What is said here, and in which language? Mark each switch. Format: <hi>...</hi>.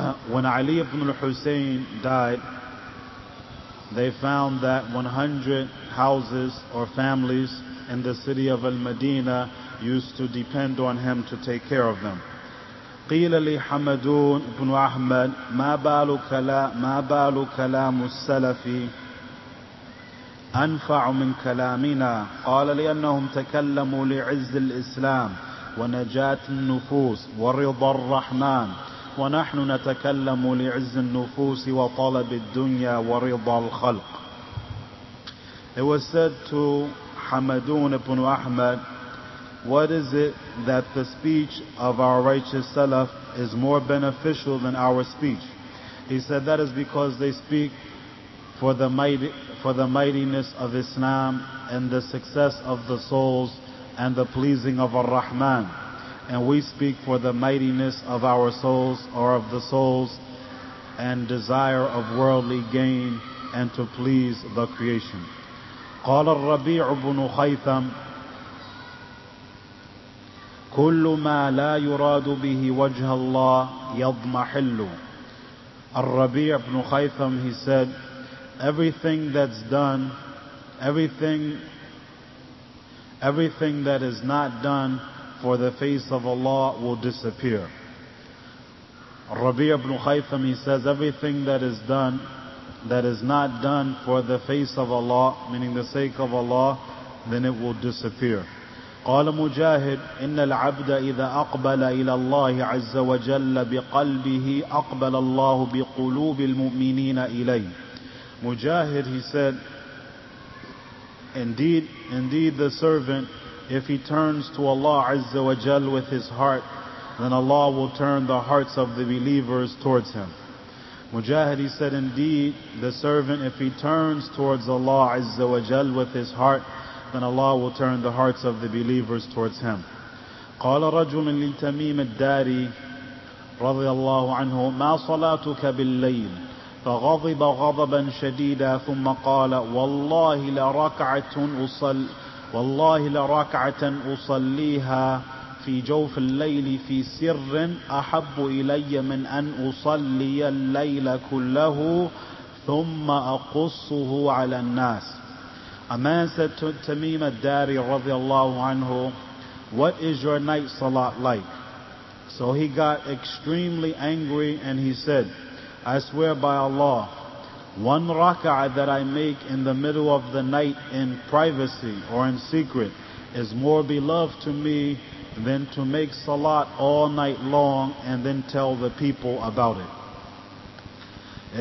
<en>When Ali ibn al-Husayn died, they found that 100 houses or families in the city of Al-Madinah used to depend on him to take care of them.</en> <ar>قيل لي حمدون بن أحمد ما بال كلام السلف أنفع من كلامنا. قال لأنهم تكلموا لعز الإسلام ونجاة النفوس ورضا الرحمن ونحن نتكلم لعز النفوس وطلب الدنيا ورضا الخلق.</ar> <en>It was said to حمدون بن أحمد, what is it that the speech of our righteous Salaf is more beneficial than our speech? He said, that is because they speak for the mightiness of Islam and the success of the souls and the pleasing of Ar-Rahman. And we speak for the mightiness of our souls or of the souls and desire of worldly gain and to please the creation.</en> <ar>قال الربيع بن خيثم كل ما لا يراد به وجه الله يضمحل.</ar> <en>الربيع بن خيثم, he said, everything that's done, everything that is not done for the face of Allah will disappear. الربيع بن خيثم, he says, everything that is done that is not done for the face of Allah, meaning the sake of Allah, then it will disappear.</en> <ar>قال مجاهد إن العبد إذا أقبل إلى الله عز وجل بقلبه أقبل الله بقلوب المؤمنين إليه.</ar> <en>مجاهد, he said, indeed the servant, if he turns to Allah عز وجل with his heart, then Allah will turn the hearts of the believers towards him. Mujahid, he said, indeed, the servant, if he turns towards Allah Azza wa Jal with his heart, then Allah will turn the hearts of the believers towards him.</en> <ar>Qala rajul li Tamim al-Dari radiyallahu anhu, ma salatuka bil-layl? Faghadiba ghadaban shadida thumma qala, wallahi la rak'atan usalliha في جوف الليل في سر أحب إلي من أن أصلي الليل كله ثم أقصه على الناس.</ar> <en>A man said to Tamim al-Dari رضي الله عنه, what is your night salat like? So he got extremely angry and he said, I swear by Allah, one raka'ah that I make in the middle of the night in privacy or in secret is more beloved to me than to make salat all night long and then tell the people about it.</en>